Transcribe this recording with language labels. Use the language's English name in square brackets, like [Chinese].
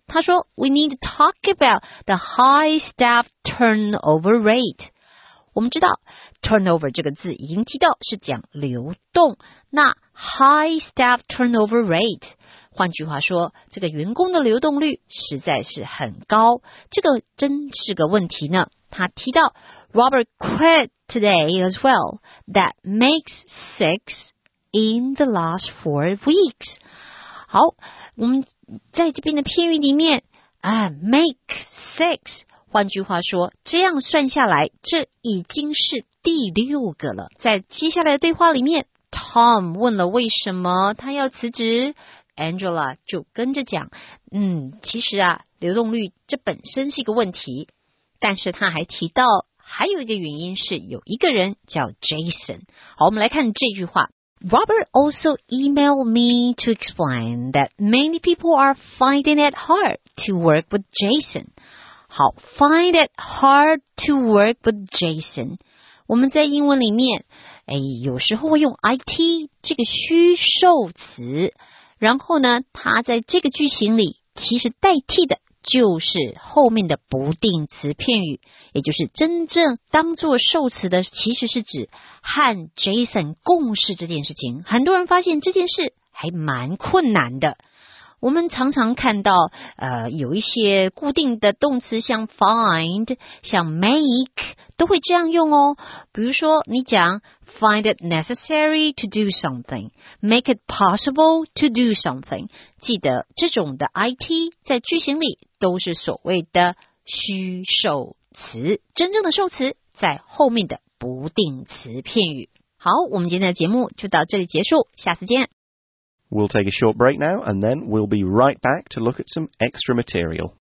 [Chinese] 他说 [English] ：“We need to talk about the high staff turnover rate。” [Chinese] 我们知道 turnover 这个字已经提到是讲流动，那 [English] high staff turnover rate， [Chinese] 换句话说，这个员工的流动率实在是很高，这个真是个问题呢。他提到 [English] Robert quit today as well. That makes six. In the last 4 weeks. [Chinese] 好，我们在这边的片语里面 [English] make six， [Chinese] 换句话说，这样算下来，这已经是第六个了。在接下来的对话里面， Tom 问了为什么他要辞职， Angela 就跟着讲，其实啊，流动率这本身是一个问题，但是他还提到还有一个原因是有一个人叫 Jason。好，我们来看这句话， [English] Robert also emailed me to explain that many people are finding it hard to work with Jason. 好， find it hard to work with Jason. [Chinese] 我们在英文里面，有时候会用 IT 这个虚受词，然后呢，它在这个句型里其实代替的就是后面的不定词片语，也就是真正当作受词的其实是指和 Jason 共事这件事情。很多人发现这件事还蛮困难的，我们常常看到有一些固定的动词，像 find， 像 make， 都会这样用哦。比如说你讲 [English] find it necessary to do something， make it possible to do something， [Chinese] 记得这种的 IT 在句型里都是所谓的虚受词，真正的受词在后面的不定词片语。好，我们今天的节目就到这里结束，下次见。 [English] We'll take a short break now, and then we'll be right back to look at some extra material.